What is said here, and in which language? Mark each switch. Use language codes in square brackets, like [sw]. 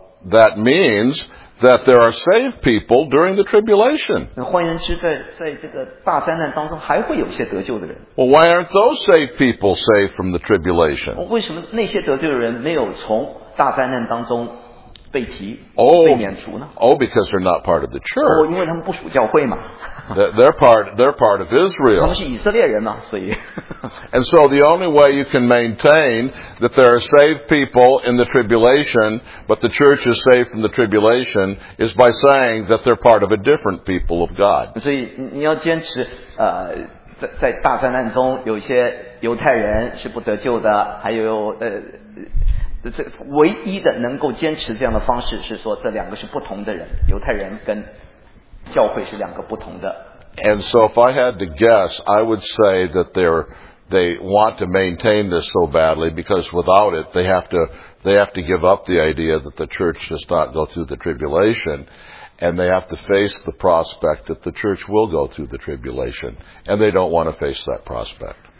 [en] That means that there are saved people during the tribulation. [zh] 换言之，在这个大灾难当中还会有些得救的人。 [en] Well, why aren't those saved people saved from the tribulation? [zh] 为什么那些得救的人没有从大灾难当中被提、被免除呢？ [en] Oh, because they're not part of the church. [zh] 因为他们不属教会嘛。 [en] They're part of Israel. [zh] 他们是以色列人嘛，所以。 [en] And so the only way you can maintain that there are saved people in the tribulation, but the church is saved from the tribulation, is by saying that they're part of a different people of God. [zh] 所以你要坚持，在大灾难中有些犹太人是不得救的，还有这唯一的能够坚持这样的方式是说这两个是不同的人，犹太人跟教会是两个不同的。 [en] And so if I had to guess, I would say that they want to maintain this so badly because without it, they have to give up the idea that the church does not go through the tribulation, and they have to face the prospect that the church will go through the tribulation, and they don't want to face that prospect.